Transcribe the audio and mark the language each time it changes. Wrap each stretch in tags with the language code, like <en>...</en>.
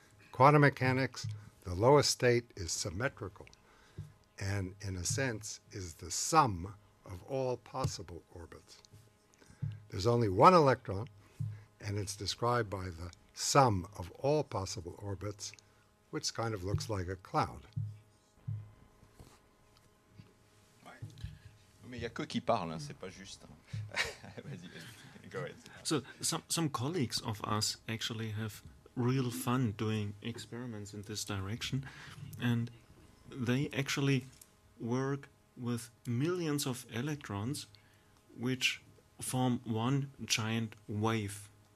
<en>Quantum mechanics, the lowest state is symmetrical, and in a sense is the sum of all possible orbits. There's only one electron, and it's described by the sum of all possible orbits, which kind of looks like a cloud.</en> <fr>Mais il y a que qui parle, hein, c'est pas juste. Vas-y,</fr> <en>go ahead. So some colleagues of us actually have real fun doing experiments in this direction, and they actually work with millions of electrons which form one giant wave.</en>